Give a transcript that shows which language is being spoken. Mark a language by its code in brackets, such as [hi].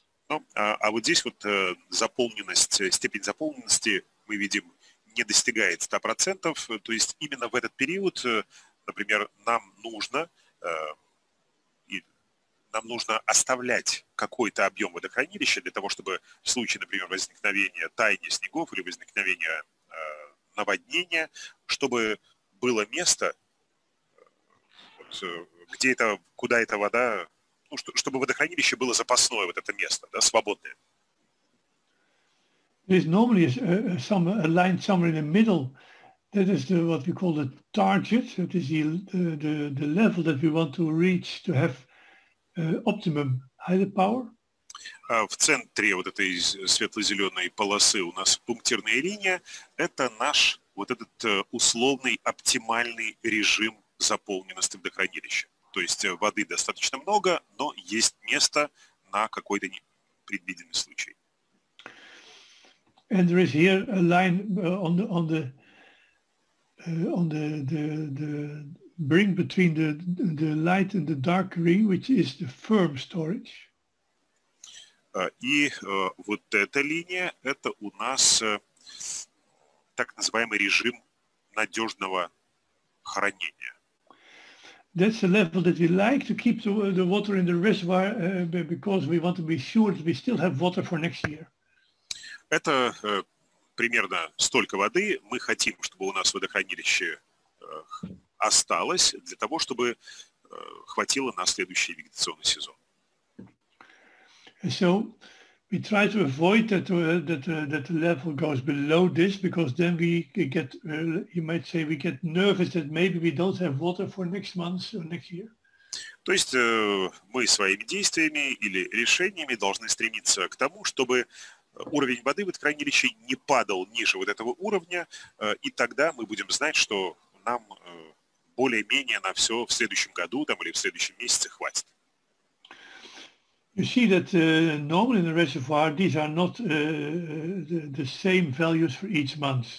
[ru] Ну, а вот здесь вот заполненность, степень заполненности мы видим не достигает 100%, то есть именно в этот период, например, нам нужно нам нужно оставлять какой-то объем водохранилища для того, чтобы в случае, например, возникновения таяния снегов или возникновения наводнения, чтобы было место, вот, где это, куда эта вода, ну, чтобы водохранилище было запасное, вот это место, да, свободное. [en] There's normally a line somewhere in the middle. That is the, what we call the target. That is the level that we want to reach to have optimum hydropower. [ru] В центре вот этой светло-зеленой полосы у нас пунктирная линия. Это наш вот этот условный оптимальный режим заполненности водохранилища. То есть воды достаточно много, но есть место на какой-то непредвиденный случай. [en] And there is here a line on the brink between the light and the dark green, which is the firm storage. [ru] И вот эта линия, это у нас так называемый режим надежного хранения. [en] That's the level that we like to keep the water in the reservoir because we want to be sure that we still have water for next year. [ru] Это примерно столько воды мы хотим, чтобы у нас водохранилище осталось для того, чтобы хватило на следующий вегетационный сезон. [en] So we try to avoid that the level goes below this, because then we get, you might say, we get nervous that maybe we don't have water for next month or next year. [ru] То есть мы своими действиями или решениями должны стремиться к тому, чтобы уровень воды в водохранилище не падал ниже вот этого уровня, и тогда мы будем знать, что нам более-менее на все в следующем году там, или в следующем месяце хватит. [en] You see that normally in the reservoir these are not the same values for each month.